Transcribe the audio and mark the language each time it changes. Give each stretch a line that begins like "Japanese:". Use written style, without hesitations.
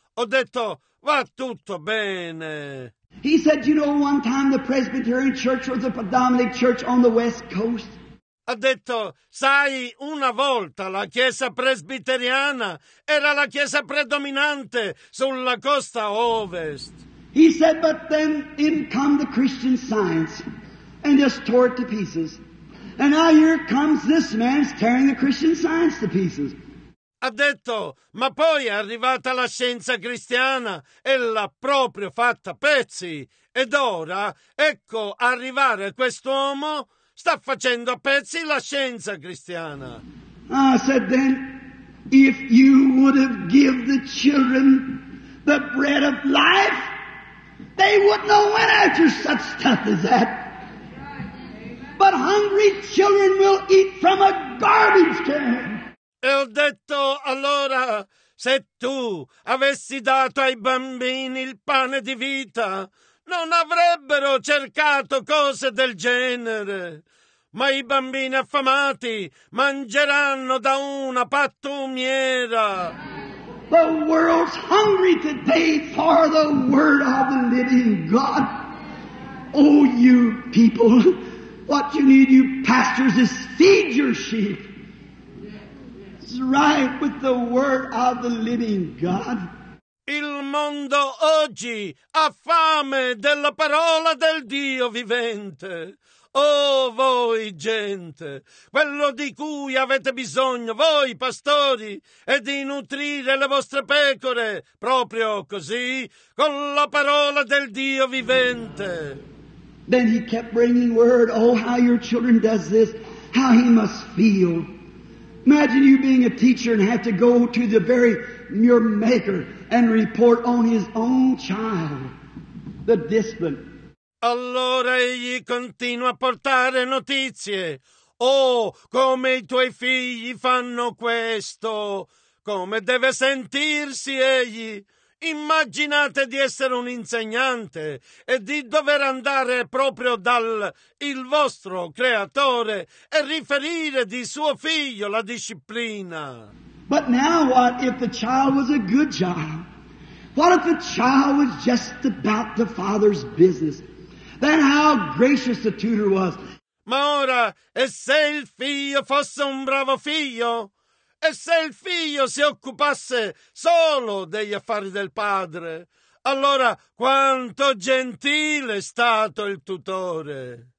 Italian: ho detto, va tutto bene.
English: He said, you know, one time the Presbyterian Church was the predominant church on the West Coast.
Italian: Ha detto, sai, una volta la chiesa presbiteriana era la chiesa predominante sulla costa ovest.
English: He said, but then in come the Christian Science and just tore it to pieces. And now here comes this man tearing the Christian Science to pieces.
Italian: Ha detto, ma poi è arrivata la scienza cristiana e l'ha proprio fatta a pezzi. Ed ora, ecco arrivare quest'uomo, sta facendo a pezzi la scienza cristiana.
English: I said then, if you would have given the children the bread of life, they wouldn't have went after such stuff as that. But hungry children will eat from a garbage can.
Italian: E ho detto, allora, se tu avessi dato ai bambini il pane di vita, non avrebbero cercato cose del genere. Ma i bambini affamati mangeranno da una pattumiera.
English: The world's hungry today for the word of the living God. Oh, you people, what you need, you pastors, is feed your sheep. Right with the word of the living God.
Italian: Il mondo oggi ha fame della parola del Dio vivente. Oh, voi gente, quello di cui avete bisogno, voi pastori, è di nutrire le vostre pecore proprio così, con la parola del Dio vivente.
English: Then he kept bringing word, oh, how your children does this, how he must feel. Imagine you being a teacher and have to go to the very your maker and report on his own child, the discipline.
Italian: Allora egli continua a portare notizie. Oh, come i tuoi figli fanno questo. Come deve sentirsi egli. Immaginate di essere un insegnante e di dover andare proprio dal il vostro creatore e riferire di suo figlio la disciplina.
English: But now what if the child was a good child? What if the child was just about the father's business? Then how gracious the tutor was.
Italian: Ma ora, e se il figlio fosse un bravo figlio? E se il figlio si occupasse solo degli affari del padre? Allora, quanto gentile è stato il tutore!